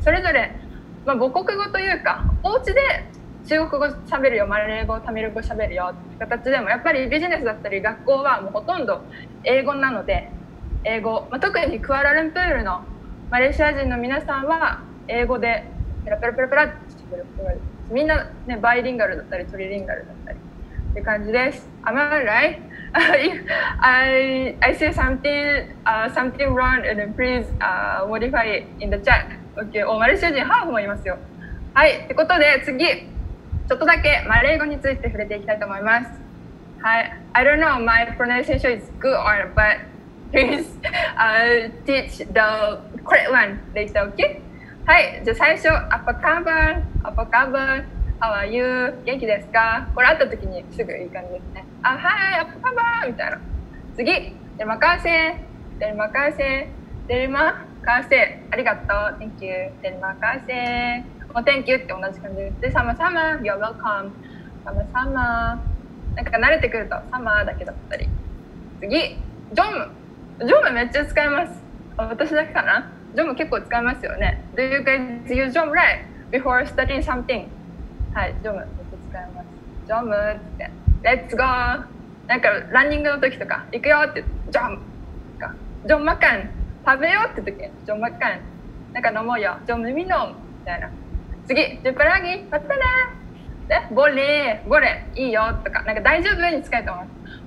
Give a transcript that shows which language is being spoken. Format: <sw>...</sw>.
<ja>それぞれ、まあ、母国語というか、お家で中国語喋るよ、マレー語、タミル語喋るよって形でも、やっぱりビジネスだったり学校はもうほとんど英語なので、英語、まあ、特にクアラルンプールのマレーシア人の皆さんは英語でペラペラペラペラってしてくれる。みんなね、バイリンガルだったりトリリンガルだったりって感じです。</ja> <en>Am I right? I say something, something wrong and please modify in the chat. Okay.</en> <ja>おマレーシア人ハーフもいますよ。はい。ってことで次、ちょっとだけマレー語について触れていきたいと思います。はい。</ja> <en>I don't know my pronunciation is good or but please teach the correct one later, okay?</en> <ja>はい、じゃあ最初、アパカーバン、アパカーバン、ハワイユー、元気ですか？これ会った時にすぐいい感じですね。あ、はい、アパカーバンみたいな。次、デルマカーセー、デルマカーセー、デルマカーセー、ありがとう、</ja> <en>Thank you、</en> <ja>デルマカーセー。もう Thank you って同じ感じです。で、サマサマ、</ja> <en>You're welcome、</en> <ja>サマサマ。なんか慣れてくるとサマーだけだったり。次、ジョム。ジョムめっちゃ使います。私だけかな？ジョム結構使いますよね。</ja> <en>Do you guys use ジョム right before studying something?</en> <ja>はい、ジョム結構使います。ジョムって、</ja> <en>Let's go!</en> <ja>なんかランニングの時とか、行くよって、ジョムとか、ジョムマカン、食べようって時、ジョムマカン、なんか飲もうよ、ジョム飲みみたいな。次、ジュパラギ、バッタラーで、ボレー、ボレー、いいよとか、なんか大丈夫に使えと思います。</ja>